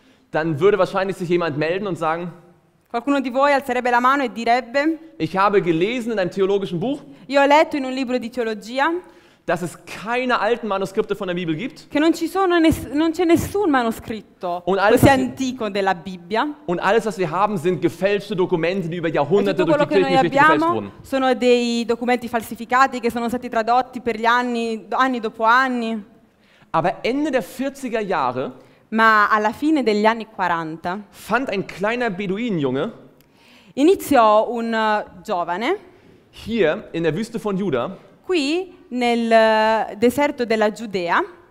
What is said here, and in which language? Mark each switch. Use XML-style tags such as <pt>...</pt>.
<de>Dann würde wahrscheinlich sich jemand melden und sagen,</de> <it>qualcuno di voi alzerebbe la mano e direbbe:</it> <de>ich habe gelesen in einem theologischen Buch,</de> <it>io ho letto in un libro di teologia,</it> <de>dass es keine alten Manuskripte von der Bibel gibt,</de> <it>che non c'è nessun manoscritto così antico della Bibbia.</it> <de>Und alles, was wir haben, sind gefälschte Dokumente, die über Jahrhunderte durch die Kirchengeschichte gefälscht wurden.</de> <it>Tutto quello che noi abbiamo sono dei documenti falsificati che sono stati tradotti per gli anni, anni dopo anni.</it> <de>Aber Ende der 40er Jahre.</de> <it>Ma alla fine degli anni 40</it> <de>fand ein kleiner Beduinenjunge,</de> <it>iniziò un giovane</it> <de>hier in der Wüste von Juda,</de> <it>qui nel deserto della Giudea,</it>